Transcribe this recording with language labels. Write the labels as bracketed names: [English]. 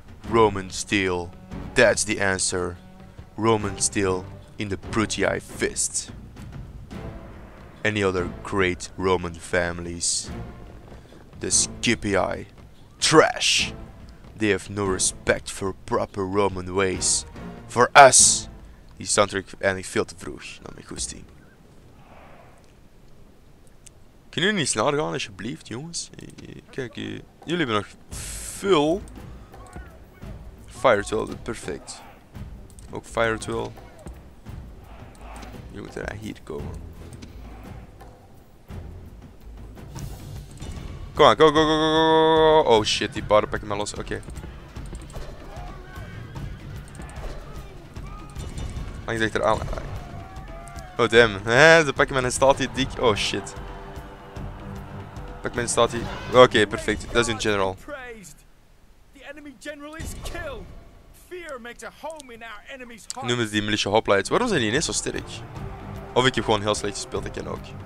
[English] Roman steel, that's the answer. Roman steel in the Brutii fist. Any other great Roman families? The Scipii, trash, They have no respect for proper Roman ways. For us! [Dutch] Die stand er eigenlijk veel te vroeg, naar mijn goesting. Kunnen jullie niet sneller gaan, alsjeblieft, jongens? Kijk, jullie hebben nog veel. Fire 12, perfect. Ook Fire 12. Je moet er hier komen. Kom aan, go. Oh shit, die paarden pakken me los. Oké. Langs achteraan. Oh damn, ze pakken mijn statie dik. Oh shit. Pak mijn statie. Oké, perfect. Dat is een general. [English] The enemy general is killed. Fear makes a home in our enemy's heart. [Dutch] Noemen ze die militia hoplites. Waarom zijn die ineens zo sterk? Of ik heb gewoon heel slecht gespeeld, dat kan ook.